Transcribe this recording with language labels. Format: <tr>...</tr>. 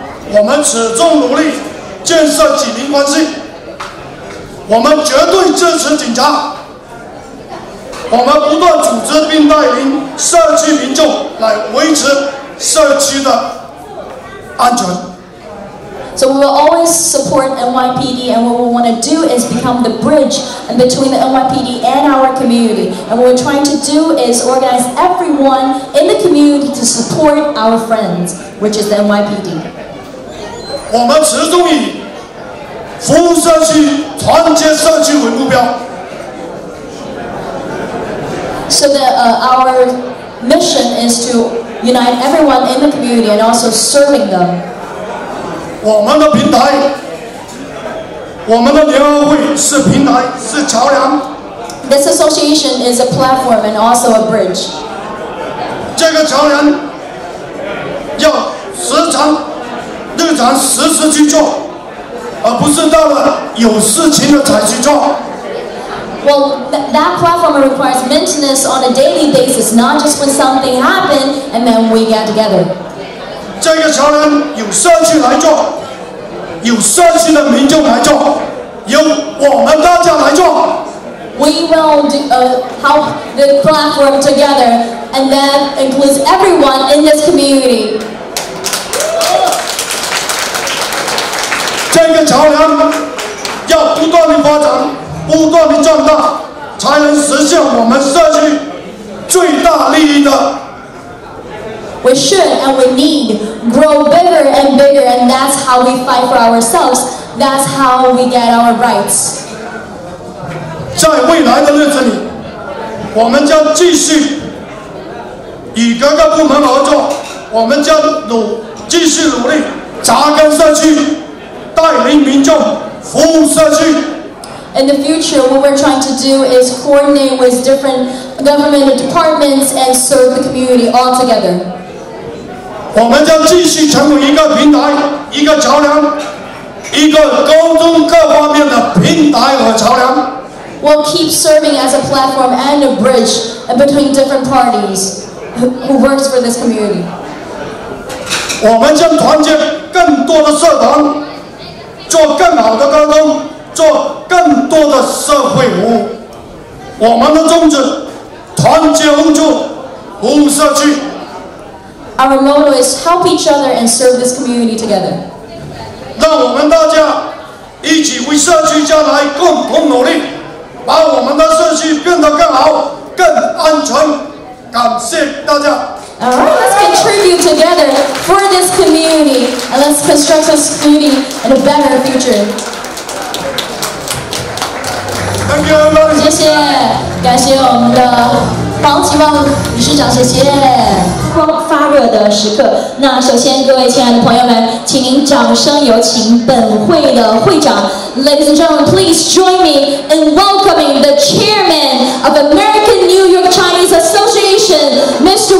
<zh>我们始终努力建设警民关系，我们绝对支持警察，我们不断组织并带领社区民众来维持社区的安全。</zh> <en>So we will always support NYPD, and what we want to do is become the bridge between the NYPD and our community. And what we're trying to do is organize everyone in the community to support our friends, which is the NYPD.</en> <zh>我们始终以服务社区、团结社区为目标。</zh> <en>So the our mission is to unite everyone in the community and also serving them.</en> <zh>我们的平台，我们的联合会是平台，是桥梁。</zh> <en>This association is a platform and also a bridge.</en> <zh>这个桥梁要时常。日常时时去做，而不是到了有事情了才去做。</zh> <en>Well, that platform requires maintenance on a daily basis, not just when something happens and then we get together.</en> <zh>这个桥梁有社区来做，有社区的民众来做，由我们大家来做。</zh> <en>We will help the platform together, and that includes everyone in this community.</en> <zh>这个桥梁要不断的发展，不断的壮大，才能实现我们社区最大利益的。</zh> <en>We should and we need grow bigger and bigger, and that's how we fight for ourselves That's how we get our rights.</en> <zh>在未来的日子里，我们将继续与各个部门合作，我们将继续努力扎根社区，带领民众服务社区。</zh> <en>In the future, what we're trying to do is coordinate with different government departments and serve the community all together.</en> <zh>我们将继续成为一个平台，一个桥梁，一个沟通各方面的平台和桥梁。</zh> <en>We'll keep serving as a platform and a bridge between different parties who works for this community.</en> <zh>我们将团结更多的社团，做更好的沟通，做更多的社会服务。我们的宗旨：团结互助，服务社区。</zh> <en>Our motto is help each other and serve this community together.</en> <zh>让我们大家一起为社区将来共同努力，把我们的社区变得更好、更安全。感谢大家。</zh> <en>All right, let's contribute together for this community and let's construct this community in a better future. Thank you, everybody.</en> <zh>谢谢，感谢我们的黄奇旺理事长，谢谢。发热的时刻，那首先各位亲爱的朋友们，请您掌声有请本会的会长。</zh> <en>Ladies and gentlemen, please join me in welcoming the chairman of American New York Chinese Association, Mr.</en>